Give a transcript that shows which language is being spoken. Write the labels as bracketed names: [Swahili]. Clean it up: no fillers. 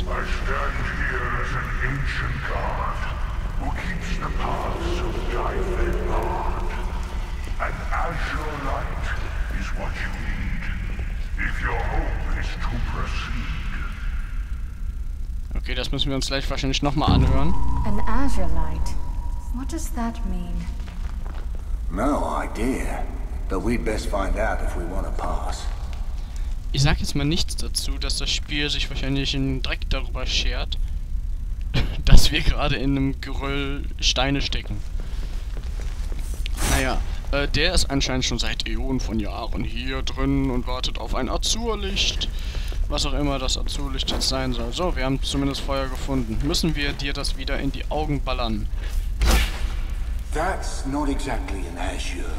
[English] I stand here as an ancient god, who keeps the paths of Dyford barred. An azure light is what you need, if your hope is to proceed. [German] Okay, das müssen wir uns gleich wahrscheinlich nochmal anhören. [English] An Azurite. What does that mean? No idea. But we'd best find out if we want to pass. [German] Ich sag jetzt mal nichts dazu, dass das Spiel sich wahrscheinlich in Dreck darüber schert, dass wir gerade in einem Geröll Steine stecken. Naja, der ist anscheinend schon seit Äonen von Jahren hier drin und wartet auf ein Azurlicht. Was auch immer das Azurlicht jetzt sein soll. So, wir haben zumindest Feuer gefunden. Müssen wir dir das wieder in die Augen ballern? [English] That's not exactly an Azure